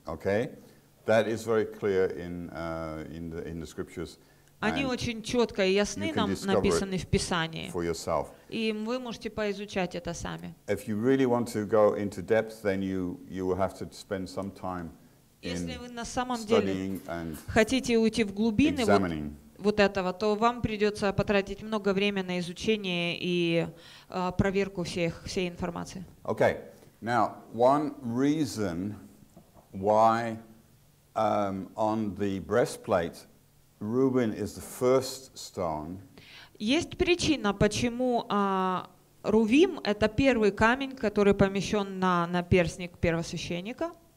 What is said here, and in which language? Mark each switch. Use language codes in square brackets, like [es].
[en] Okay, that is very clear in the scriptures. [ru] Они очень четко и ясны нам написаны в Писании. [en] For yourself. [ru] И вы можете поизучать это сами. [en] If you really want to go into depth, then you will have to spend some time in studying and examining. [ru] Вот этого, то вам придется потратить много времени на изучение и проверку всей информации. [en] Okay, now one reason why on the breastplate Reuben is the first stone. [ru] Есть причина, почему Рувим это первый камень, который помещен на перстник первосвященника.